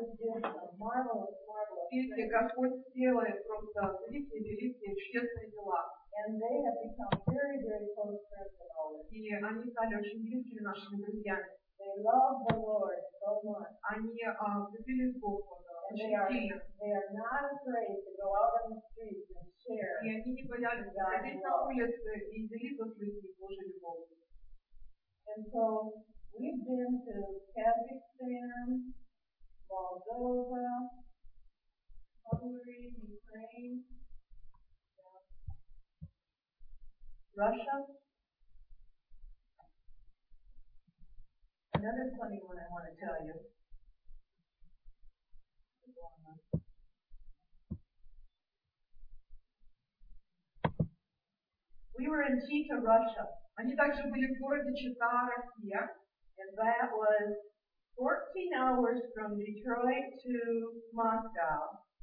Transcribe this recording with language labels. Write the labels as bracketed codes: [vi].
[ru] Видите, Господь делает просто великие чудесные дела. [en] And they have become very, very close friends with all of [ru] us. И они стали очень близкими нашими друзьями. [en] They love the Lord so much. [ru] Они любили Бога. [en] They are not afraid to go out on the streets and share. [ru] И они не боялись выйти на улицы и делиться с людьми Божьей любовью. [en] And so we've been to Kazakhstan, Moldova, Hungary, Ukraine, Russia. Another funny one I want to tell you. We were in Chita, Russia. [ru] Они также были в городе Чита, Россия. [en] And that was 14 hours from Detroit to Moscow.